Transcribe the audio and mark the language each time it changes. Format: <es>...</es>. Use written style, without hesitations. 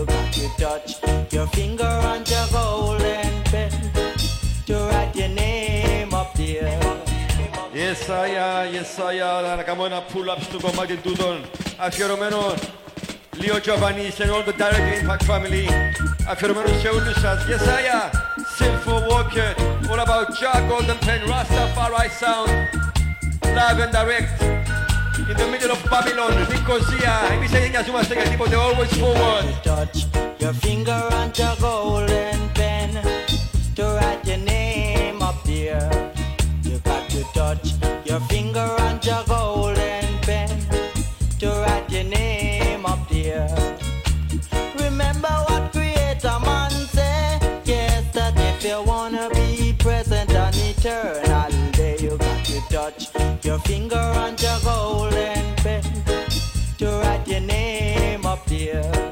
<en>Your finger on your golden pen to write your name up there. Yes I am, yes I am.</en> <el>Θα κάνω ένα pull-up στο κομμάτι τούτον. Αφιερωμένο Leo Javanese</el> <en>and all the Direct Impact family.</en> <el>Αφιερωμένο σε όλους σας.</el> <en>Yes I am, Sinful Walker. All about Jah Golden Pen, Rastafari sound. Live and direct in the middle of Babylon, Nicosia.</en> <el>Εμείς δεν νοιάζομαστε για τίποτε,</el> <en>always forward. Your finger on the golden pen to write your name up there. You got to touch your finger on the golden pen to write your name up there. Remember what Creator Man said, yes, that if you wanna be present on eternal day, you got to touch your finger on the golden pen to write your name up there.</en>